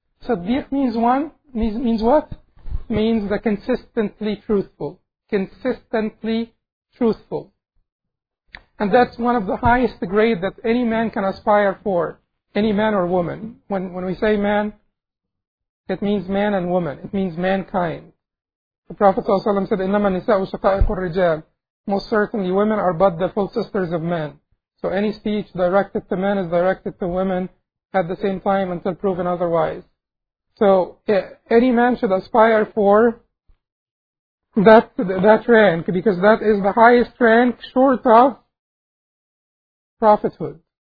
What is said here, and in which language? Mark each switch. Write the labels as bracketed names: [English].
[English] صديق means one, means what? Means the consistently truthful. Consistently truthful. And that's one of the highest grade that any man can aspire for, any man or woman. When we say man, it means man and woman. It means mankind. The Prophet ﷺ said, [Arabic] إِنَّمَا نِسَاءُ شَقَائِقُ الرِّجَالِ. [English] Most certainly women are but the full sisters of men. So any speech directed to men is directed to women at the same time until proven otherwise. So any man should aspire for that rank, because that is the highest rank short of prophethood.